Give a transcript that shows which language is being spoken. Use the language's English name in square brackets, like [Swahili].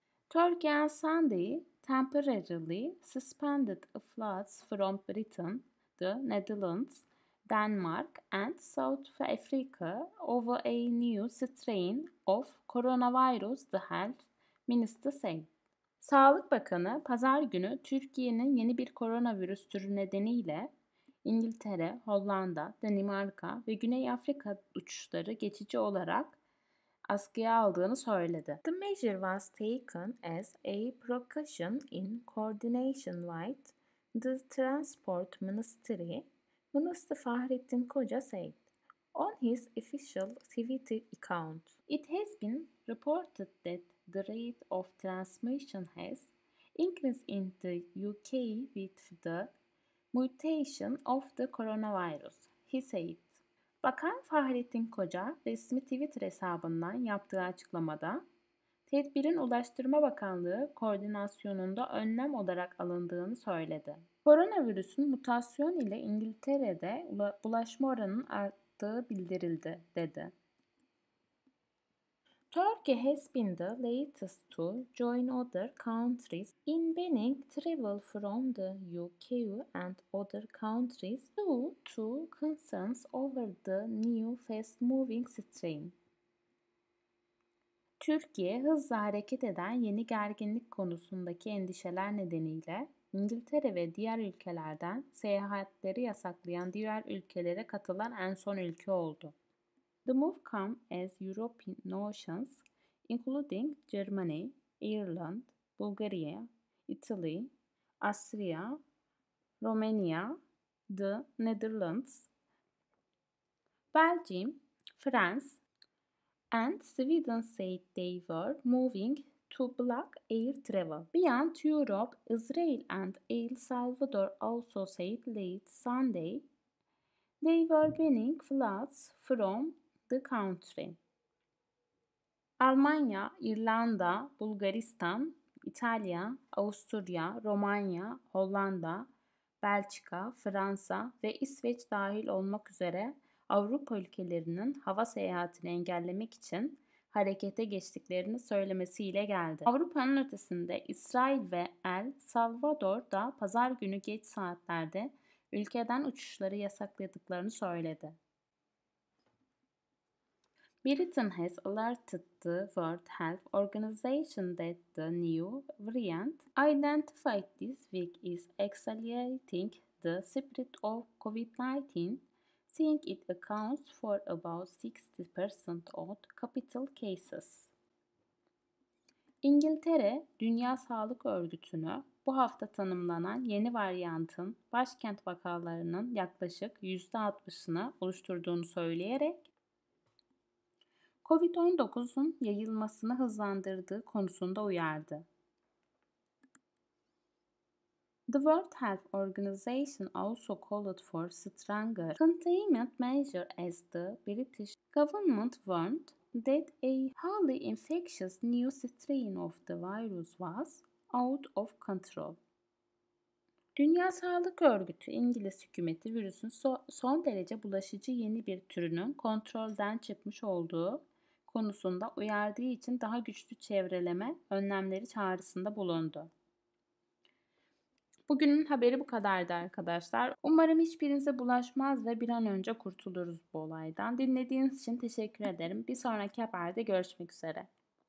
[English] Turkey on Sunday temporarily suspended flights from Britain, the Netherlands, Denmark and South Africa over a new strain of coronavirus, the health minister said. [Turkish] Sağlık Bakanı pazar günü Türkiye'nin yeni bir koronavirüs türü nedeniyle İngiltere, Hollanda, Danimarka ve Güney Afrika uçuşları geçici olarak askıya aldığını söyledi. [English] The measure was taken as a precaution in coordination with the Transport Ministry, Minister Fahrettin Koca said on his official Twitter account. It has been reported that the rate of transmission has increased in the UK with the mutation of the coronavirus, he said. [Turkish] Bakan Fahrettin Koca resmi Twitter hesabından yaptığı açıklamada, tedbirin Ulaştırma Bakanlığı koordinasyonunda önlem olarak alındığını söyledi. Koronavirüsün mutasyon ile İngiltere'de bulaşma oranının arttığı bildirildi, dedi. [English] Turkey has been the latest to join other countries in banning travel from the UK and other countries due to concerns over the new fast-moving strain. [Turkish] Türkiye, hızla hareket eden yeni gerginlik konusundaki endişeler nedeniyle İngiltere ve diğer ülkelerden seyahatleri yasaklayan diğer ülkelere katılan en son ülke oldu. [English] The move comes as European nations, including Germany, Ireland, Bulgaria, Italy, Austria, Romania, the Netherlands, Belgium, France, and Sweden said they were moving to block air travel. Beyond Europe, Israel and El Salvador also said late Sunday they were banning flights from the country. [Turkish] Almanya, İrlanda, Bulgaristan, İtalya, Avusturya, Romanya, Hollanda, Belçika, Fransa ve İsveç dahil olmak üzere Avrupa ülkelerinin hava seyahatini engellemek için harekete geçtiklerini söylemesiyle geldi. Avrupa'nın ötesinde İsrail ve El Salvador da pazar günü geç saatlerde ülkeden uçuşları yasakladıklarını söyledi. [English] Britain has alerted the World Health Organization that the new variant identified this week is accelerating the spread of COVID-19, saying it accounts for about 60% of capital cases. [Turkish] İngiltere, Dünya Sağlık Örgütü'nü bu hafta tanımlanan yeni varyantın başkent vakalarının yaklaşık %60'ını oluşturduğunu söyleyerek COVID-19'un yayılmasını hızlandırdığı konusunda uyardı. [English] The World Health Organization also called for stronger containment measures as the British government warned that a highly infectious new strain of the virus was out of control. [Turkish] Dünya Sağlık Örgütü, İngiliz hükümeti virüsün son derece bulaşıcı yeni bir türünün kontrolden çıkmış olduğu konusunda uyardığı için daha güçlü çevreleme önlemleri çağrısında bulundu. Bugünün haberi bu kadardı arkadaşlar. Umarım hiçbirinize bulaşmaz ve bir an önce kurtuluruz bu olaydan. Dinlediğiniz için teşekkür ederim. Bir sonraki haberde görüşmek üzere.